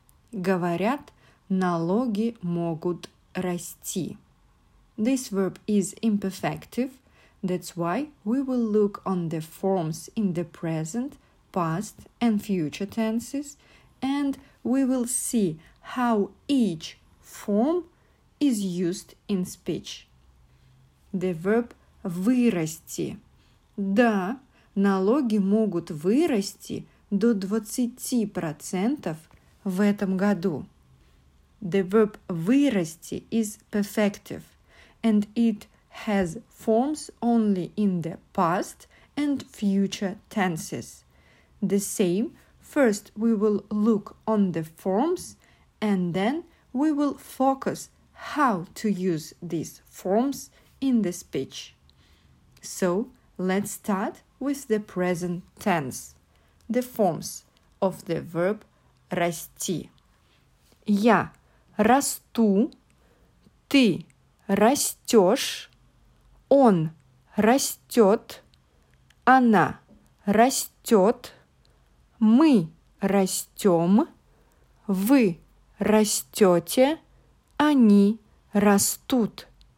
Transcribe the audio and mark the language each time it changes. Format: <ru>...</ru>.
<ru>Говорят, налоги могут расти.</ru> <en>This verb is imperfective. That's why we will look on the forms in the present, past and future tenses, and we will see how each form is used in speech. The verb вырасти.</en> <ru>Да, налоги могут вырасти до 20% в этом году.</ru> <en>The verb вырасти is perfective, and it has forms only in the past and future tenses. The same, first we will look on the forms, and then we will focus how to use these forms in the speech. So, let's start with the present tense, the forms of the verb расти.</en> <ru>Я расту, ты растешь, он растет, она растет, мы растем, вы растете, они растут.</ru>